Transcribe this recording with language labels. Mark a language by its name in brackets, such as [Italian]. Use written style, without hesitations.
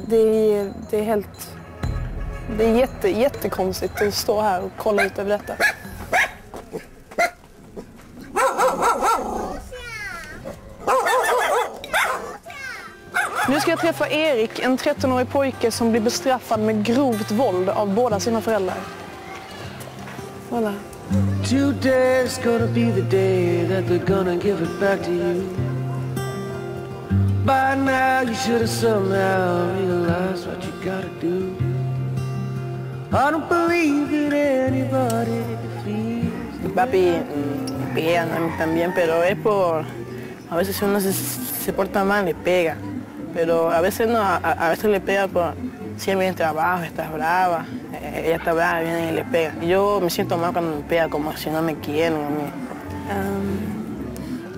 [Swedish] Det är jättekonstigt att stå här och kolla ut över detta. Nu ska jag träffa Erik, en 13-årig pojke som blir bestraffad med grovt våld av båda sina föräldrar. [French] Voilà. [English] Today's gonna be the day that they're gonna give it back to you. By now you should have somehow realized what you gotta do. I don't believe in anybody feels. [Spanish] Papi, pega a mí también, pero es por... A veces uno se porta mal, le pega. Pero a veces no, a veces le pega por... Si es bien trabajo, estás brava. Ella está brava, viene y le pega. Yo me siento mal cuando me pega, como si no me quieren a mí.